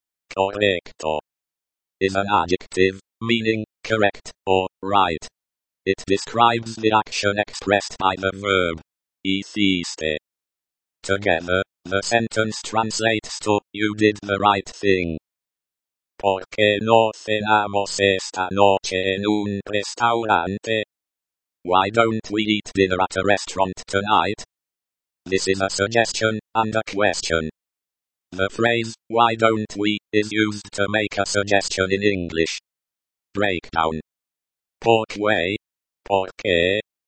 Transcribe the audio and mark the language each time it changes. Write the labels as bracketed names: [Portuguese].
[English] Correcto. Is an adjective, meaning, correct, or, right. It describes the action expressed by the verb, hiciste. Together, the sentence translates to, you did the right thing. [Spanish] ¿Por qué no cenamos esta noche en un restaurante? [English] Why don't we eat dinner at a restaurant tonight? This is a suggestion and a question. The phrase, why don't we, is used to make a suggestion in English. Breakdown. [Spanish] ¿Por qué? ¿Por qué?